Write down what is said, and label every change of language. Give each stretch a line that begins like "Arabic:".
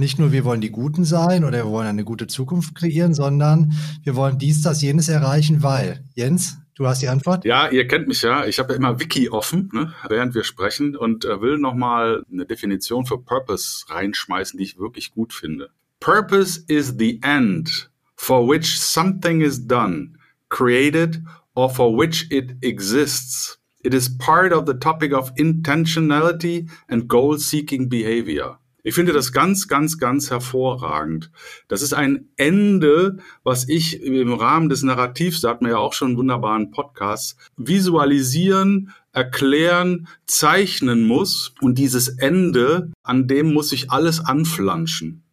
German: Nicht nur, wir wollen die Guten sein oder wir wollen eine gute Zukunft kreieren, sondern wir wollen dies, das, jenes erreichen, weil. Jens, Du hast die Antwort? Ja, ihr kennt mich ja. Ich habe ja immer Wiki offen, ne, während wir sprechen, und will nochmal eine Definition für Purpose reinschmeißen, die ich wirklich gut finde.
English: Purpose is the end for which something is done, created, or for which it exists. It is part of the topic of intentionality and goal-seeking behavior.
German: Ich finde das ganz, ganz, ganz hervorragend. Das ist ein Ende, was ich im Rahmen des Narrativs, da hatten wir ja auch schon einen wunderbaren Podcast, visualisieren, erklären, zeichnen muss. Und dieses Ende, an dem muss ich alles anflanschen.